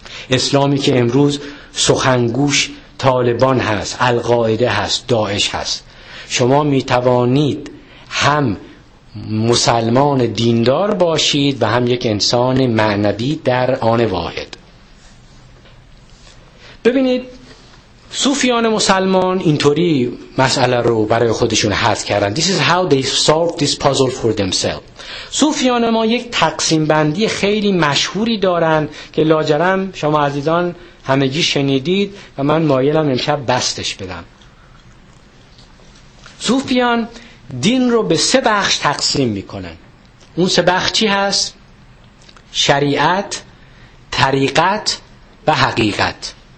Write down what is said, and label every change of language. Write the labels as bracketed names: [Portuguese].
[Persian] اسلامی که امروز سخنگوش طالبان هست، القاعده هست، داعش هست، شما می توانید هم مسلمان دیندار باشید و هم یک انسان معنوی در آن واحد. ببینید، صوفیان مسلمان اینطوری مسئله رو برای خودشون حل کردن. [English] This is how they solved this puzzle for themselves. [Persian] صوفیان ما یک تقسیم بندی خیلی مشهوری دارن که لاجرم شما عزیزان همگی شنیدید و من مایلم امشب بستش بدم. صوفیان دین رو به سه بخش تقسیم میکنن. اون سه بخش چی هست؟ شریعت، طریقت و حقیقت.